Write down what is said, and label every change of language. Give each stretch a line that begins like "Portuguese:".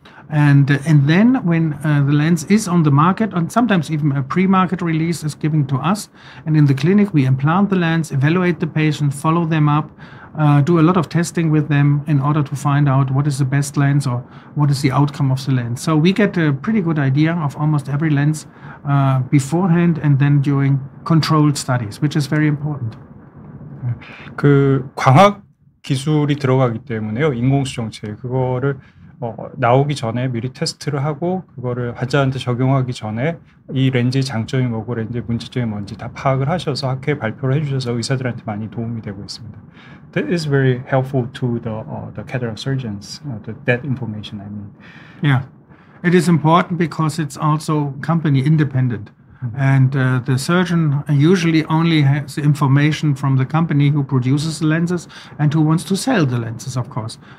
English: And then when the lens is on the market, and sometimes even a pre-market release is given to us, and in the clinic we implant the lens, evaluate the patient, follow them up, do a lot of testing with them in order to find out what is the best lens or what is the outcome of the lens. So we get a pretty good idea of almost every lens beforehand and then during controlled studies, which is very important.
Korean: 그 광학 기술이 들어가기 때문에요, 인공수정체 그거를 나오기 전에 미리 테스트를 하고 그거를 환자한테 적용하기 전에 이 렌즈의 장점이 뭐고 렌즈의 문제점이 뭔지 다 파악을 하셔서 학회에 발표를 해주셔서 의사들한테 많이 도움이 되고 있습니다.
English: That is very helpful to the cataract surgeons, that information, I mean. Yeah, it is important because it's also company independent. And the surgeon usually only has information from the company who produces the lenses and who wants to sell the lenses, of course.